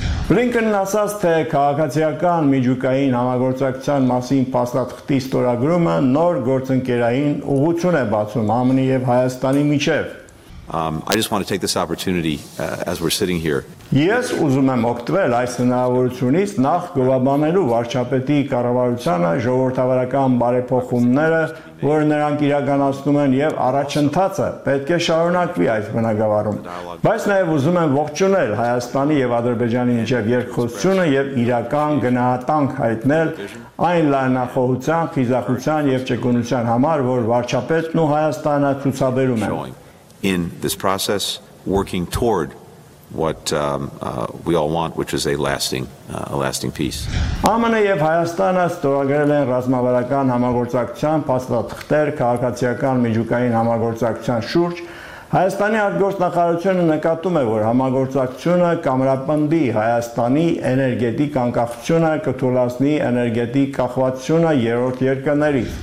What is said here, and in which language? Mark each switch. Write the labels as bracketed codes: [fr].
[hy] Բլինքենն ասաց, թե քաղաքացիական միջուկային համագործակցության մասին փաստաթղթի ստորագրումը նոր գործընկերային ուղղություն է բացում ԱՄՆ-ի եւ Հայաստանի միջեւ։ [en] I just want to take this opportunity as we're sitting here. [hy] Ես ուզում եմ օգտվել այս հնարավորությունից նախ գովաբանելու վարչապետի կառավարությանը ժողովրդավարական բարեփոխումները, որ նրանք իրականացնում են, եւ առաջընթացը պետք է շարունակվի այս բնագավառում։ Բայց նաեւ ուզում եմ ողջունել Հայաստանի եւ Ադրբեջանի միջև երկխոսությունը եւ իրական գնահատանք հայտնել այն լայնախոհության, խիզախության եւ ճկունության համար, որ վարչապետն ու Հայաստանը ցուցաբերում են։ [en] In this process, working toward what we all want, which is a lasting peace. [hy] ԱՄՆ-ը եւ Հայաստանը ստորագրել են ռազմավարական համագործակցության փաստաթղթեր քաղաքացիական միջուկային համագործակցության շուրջ։ Հայաստանի արտգործնախարարությունը նկատում է, որ համագործակցությունը կամրապնդի Հայաստանի էներգետիկ անկախությունը, կթույլատրի էներգետիկ կախվածությունը երրորդ երկրների։